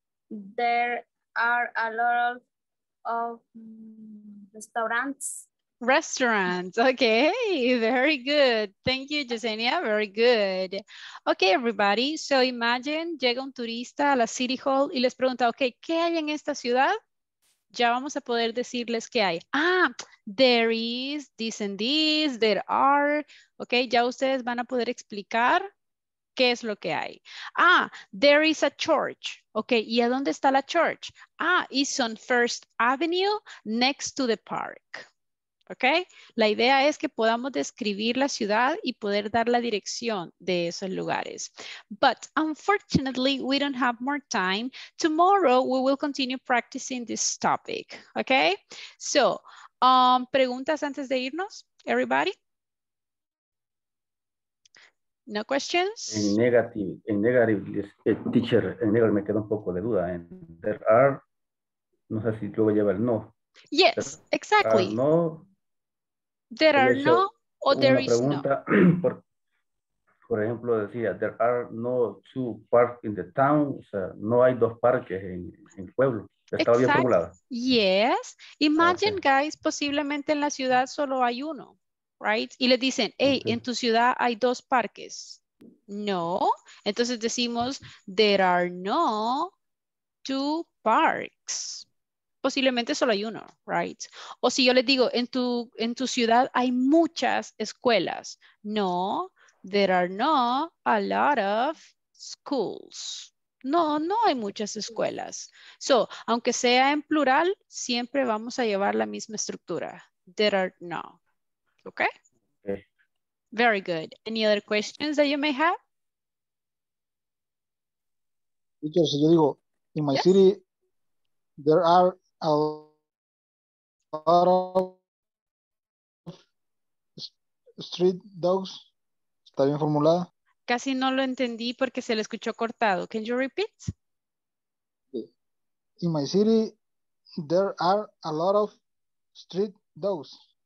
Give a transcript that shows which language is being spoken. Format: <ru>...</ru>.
<en>There are a lot of restaurants. Restaurants. Okay, very good. Thank you, Yesenia. Very good. Okay, everybody.</en> <es>So imagine llega un turista a la City Hall y les pregunta, okay, ¿qué hay en esta ciudad? Ya vamos a poder decirles qué hay.</es> <en>Ah, there is this and this, there are.</en> <es>Okay, ya ustedes van a poder explicar qué es lo que hay.</es> <en>Ah, there is a church. Okay, ¿y a dónde está la church? Ah, it's on First Avenue next to the park. ¿Ok?</en> <es>La idea es que podamos describir la ciudad y poder dar la dirección de esos lugares.</es> <en>But unfortunately, we don't have more time. Tomorrow, we will continue practicing this topic. ¿Ok?</en> <es>So, ¿preguntas antes de irnos? Everybody?</es> <en>No questions?</en> <es>En negative, teacher, me queda un poco de duda. There are, no sé si luego lleva el no.</es> <en>Yes, exactly. No. There are no, o there is pregunta, no. Por ejemplo, decía, there are no two parks in the town.</en> <es>O sea, no hay dos parques en el pueblo. Está bien formulada.</es> <en>Yes.</en> <es>Imagine, guys, posiblemente en la ciudad solo hay uno, right? Y le dicen, hey, en tu ciudad hay dos parques. No.</es> <en>Entonces decimos, there are no two parks.</en> <es>Posiblemente solo hay uno, right? O si yo les digo, en tu ciudad hay muchas escuelas.</es> <en>No, there are not a lot of schools.</en> <es>No, no hay muchas escuelas. So, aunque sea en plural, siempre vamos a llevar la misma estructura.</es> <en>There are no. Okay? Okay. Very good. Any other questions that you may have? Teacher, si yo digo, in my city, there are a lot of street dogs. ¿Está bien formulada?</en> <es>Casi no lo entendí porque se le escuchó cortado.</es> <en>Can you repeat? In my city, there are a lot of street dogs.</en>